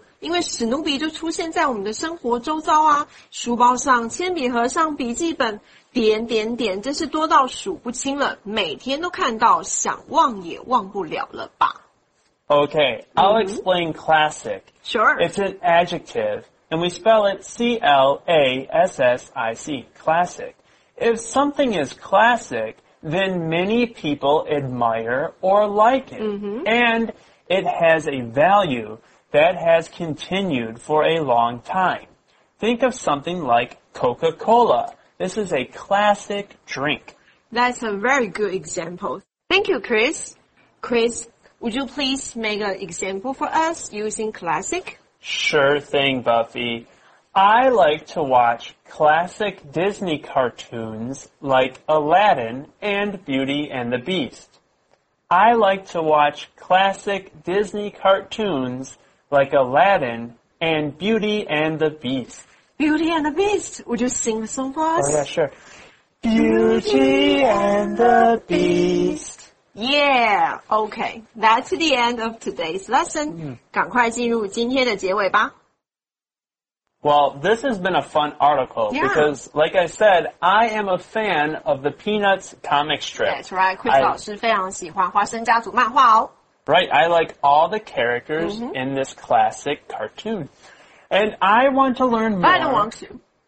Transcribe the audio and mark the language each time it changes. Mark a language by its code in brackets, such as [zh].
[zh] 因为史努比就出现在我们的生活周遭啊，书包上、铅笔盒上、笔记本，点点点，真是多到数不清了，每天都看到，想忘也忘不了了吧。 [en] Okay, I'll explain classic. Sure. It's an adjective, and we spell it C-L-A-S-S-I-C, classic. If something is classic, then many people admire or like it. And it has a value that has continued for a long time. Think of something like Coca-Cola. This is a classic drink. That's a very good example. Thank you, Chris. Chris, would you please make an example for us using classic? Sure thing, Buffy. I like to watch classic Disney cartoons like Aladdin and Beauty and the Beast. I like to watch classic Disney cartoons like Aladdin and Beauty and the Beast. Beauty and the Beast, would you sing the song for us? Oh yeah, sure. Beauty and the Beast. Yeah, okay, that's the end of today's lesson. [zh] 赶快进入今天的结尾吧。 [en] Well, this has been a fun article, yeah. Because, like I said, I am a fan of the Peanuts comic strip. That's right, [zh] Chris 老师非常喜欢花生家族漫画哦。 [en] Right, I like all the characters in this classic cartoon. And I want to learn more. But I don't want to.